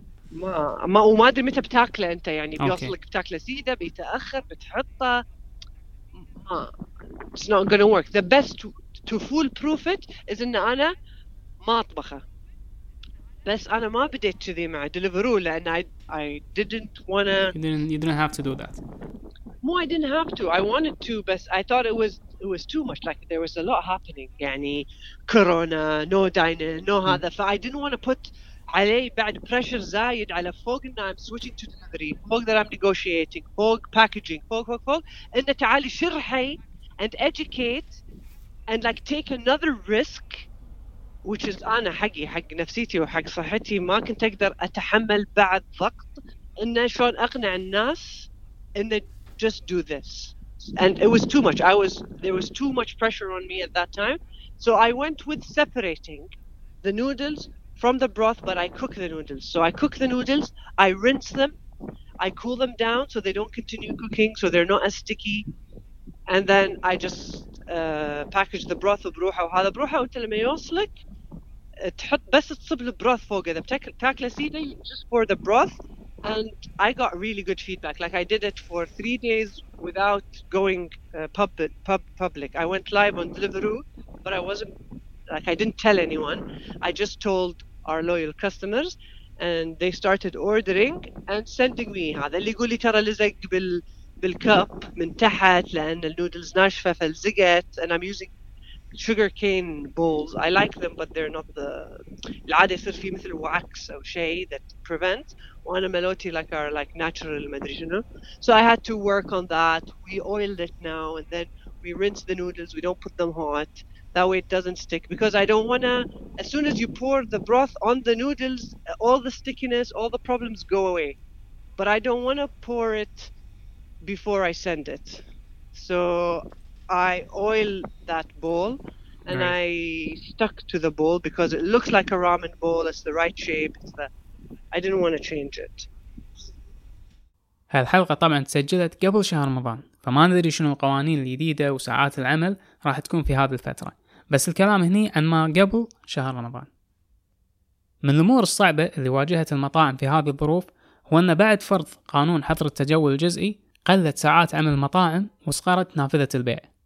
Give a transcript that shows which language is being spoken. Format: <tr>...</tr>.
<ar>ما وما أدري متى بتأكله أنت يعني بيوصلك بتأكله سيدة بيتأخر بتحطه.</ar> <en>ما it's not gonna work. The best to foolproof it is إن أنا ما أطبخه.</en> <ar>بس أنا ما بديت كذي مع Deliveroo لأن I didn't wanna.</ar> <en>You didn't have to do that. No, I didn't have to. I wanted to, but I thought it was too much. Like there was a lot happening.</en> <ar>يعني كورونا, no dining, no هذا.</ar> <en>So I didn't want to put علي بعد pressure زايد على فوق إن I'm switching to delivery, فوق that I'm negotiating, فوق packaging, فوق.</en> <ar>إن تعالي شرحي and educate and like take another risk, which is أنا حق نفسيتي وحق صحتي ما كنت أقدر أتحمل بعد ضغط إن شلون أقنع الناس إن just do this.</ar> <en>And it was too much. There was too much pressure on me at that time. So I went with separating the noodles from the broth, but I cook the noodles. So I cook the noodles, I rinse them, I cool them down so they don't continue cooking, so they're not as sticky.</en> <ar>And then I just package the broth بروحة وهذا بروحة وانت لما يوصلك تحط بس تصب البروث فوق إذا بتاكله سيدة you just pour the broth.</ar> <en>And I got really good feedback. Like I did it for 3 days without going public. I went live on Deliveroo, but I wasn't like I didn't tell anyone. I just told our loyal customers, and they started ordering and sending me.</en> <ar>هذا اللي يقولي ترى لزق بالكوب من تحت لأن النودلز ناشفة فلزقت.</ar> <en>And I'm using sugar cane bowls. I like them, but they're not the.</en> <ar>العادة يصير في مثل wax أو شيء that prevents.</ar> <en>وأنا ملوتي like are like natural مدري شنو. So I had to work on that. We oiled it now and then we rinse the noodles. We don't put them hot. That way it doesn't stick because I don't wanna. As soon as you pour the broth on the noodles, all the stickiness, all the problems go away. But I don't wanna pour it before I send it. So I oil that bowl and right. I stuck to the bowl because it looks like a ramen bowl. It's the right shape. It's the I didn't want to change it.</en> <ar>هالحلقة طبعا تسجلت قبل شهر رمضان فما ندري شنو القوانين الجديدة وساعات العمل راح تكون في هذه الفترة بس الكلام هني عن ما قبل شهر رمضان. من الأمور الصعبة اللي واجهت المطاعم في هذه الظروف هو أن بعد فرض قانون حظر التجول الجزئي قلت ساعات عمل المطاعم وصغرت نافذة البيع.</ar>